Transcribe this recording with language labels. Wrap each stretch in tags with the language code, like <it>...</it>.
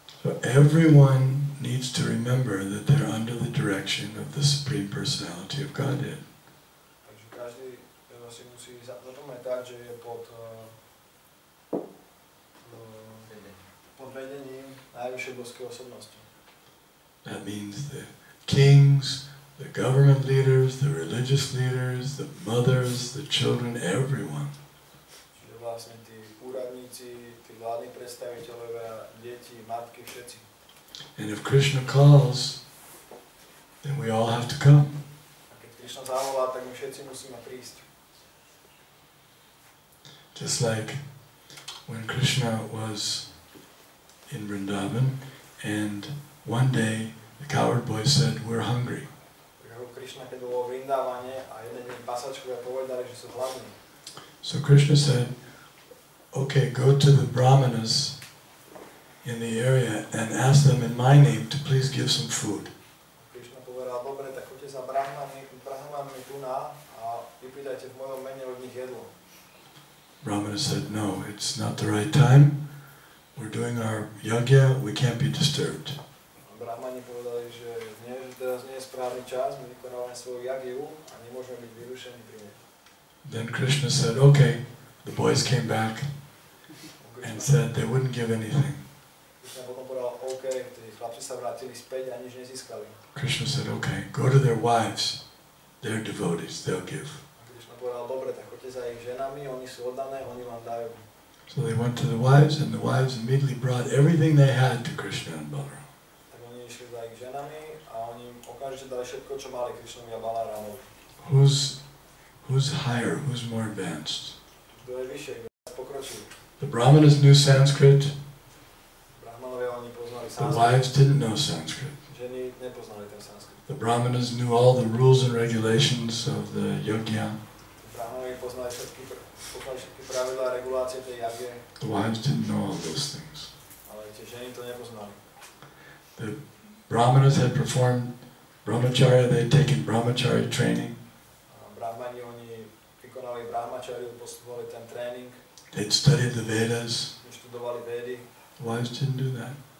<en>So everyone needs to remember that they're under the direction of the Supreme Personality of Godhead.</en> <sk>Takže každý si musí zapamätať, že je pod vedením najvyššej božskej osobnosti.</sk> <en>That means the kings, the government leaders, the religious leaders, the mothers, the children, everyone.</en> <sk>Čiže vlastne tí úradníci, tí vládni predstaviteľovia, deti, matky, všetci.</sk> <en>And if Krishna calls, then we all have to come.</en> <sk>A keď Krishna zavolá, tak my všetci musíme prísť.</sk> <en>Just like when Krishna was in Vrindavan, and one day the coward boy said, we're hungry.</en> <sk>Krishna keď bolo v Vrindavane a jeden deň pasačkovia povedali, že sú hladní.</sk> <en>So Krishna said, okay, go to the brahmanas in the area and ask them in my name to please give some food.</en> <sk>Krishna povedal, dobre, tak choďte za brahmanmi tu na a vypýtajte v mojom mene od nich jedlo.</sk> <en>Brahmana said, no, it's not the right time. We're doing our yagya, we can't be disturbed.</en> <sk>Brahmani povedali, že teraz nie je správny čas, my vykonávame svoju jagyu a nemôžeme byť vyrušení pri nej.</sk> <en>Then Krishna said, okay, the boys came back and said they wouldn't give anything.</en> <sk>Krishna potom povedal, OK, tí chlapci sa vrátili späť a nič nezískali.</sk> <en>Krishna said, OK, go to their wives, they're devotees, they'll give.</en> <sk>Krishna povedal, dobre, tak choďte za ich ženami, oni sú oddané, oni vám dajú.</sk> <en>So they went to the wives, and the wives immediately brought everything they had to Krishna and Balaram.</en> <sk>Tak oni išli za ich ženami a oni okamžite dali všetko, čo mali Krishnovi a Balaramovi.</sk> <en>Who's higher, who's more advanced?</en> <sk>Kto je vyššie, kto je pokročilý?</sk> <en>The Brahmanas knew Sanskrit.</en> <sk>Brahmanovia oni poznali Sanskrit.</sk> <en>The wives didn't know Sanskrit.</en> <sk>Ženy nepoznali ten Sanskrit.</sk> <en>The Brahmanas knew all the rules and regulations of the yogya.</en> <sk>Brahmanovia poznali všetky pravidlá a regulácie tej yogie.</sk> <en>The wives didn't know all those things.</en> <sk>Ale tie ženy to nepoznali.</sk> <en>The Brahmanas had performed brahmacharya, they had taken brahmacharya training.</en> <sk>Brahmani oni vykonali brahmacharyu, postupovali ten tréning.</sk> <en>They'd studied the Vedas.</en> <sk>Študovali Vedy.</sk> <en>The wives didn't do that.</en>